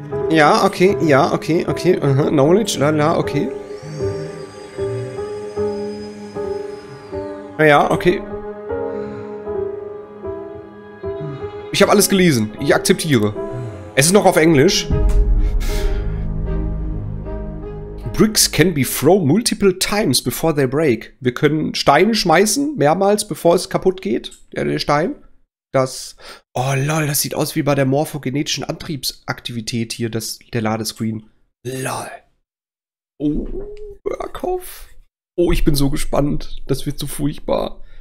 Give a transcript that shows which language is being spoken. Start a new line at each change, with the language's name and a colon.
German: Ja, okay. Uh-huh. Knowledge, okay. Ja, okay. Ich habe alles gelesen. Ich akzeptiere. Es ist noch auf Englisch.
English: Bricks can be thrown multiple times before they break.
German: Wir können Steine schmeißen mehrmals, bevor es kaputt geht. Der Stein. Das. Oh lol, das sieht aus wie bei der morphogenetischen Antriebsaktivität hier, der Ladescreen. Lol. Oh, Berghoff. Oh, ich bin so gespannt. Das wird so furchtbar.